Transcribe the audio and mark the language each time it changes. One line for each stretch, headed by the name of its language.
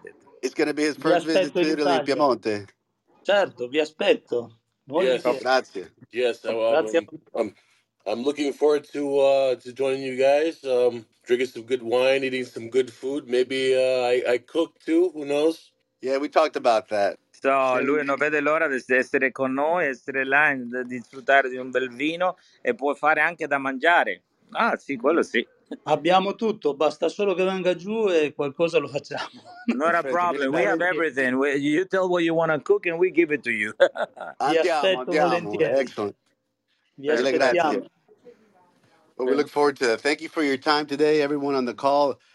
Italian: Detto.
English: It's gonna be his first visit to Italy in Piemonte.
Italian: Certo, vi aspetto.
English: Yes, grazie. Yes, I'm looking forward to joining you guys. Drinking some good wine, eating some good food. Maybe I cook too. Who knows? Yeah, we talked about that.
Italian: So, lui non vede l'ora di essere con noi, essere là, di sfruttare di un bel vino e può fare anche da mangiare. Ah, sì, quello sì. Abbiamo tutto, basta solo che venga giù e qualcosa lo facciamo.
English: Not a problem, we have everything. You tell what you want to cook and we give it to you.
Italian: Andiamo, volentieri.
English: Excellent. Well, we look forward to that. Thank you for your time today, everyone on the call.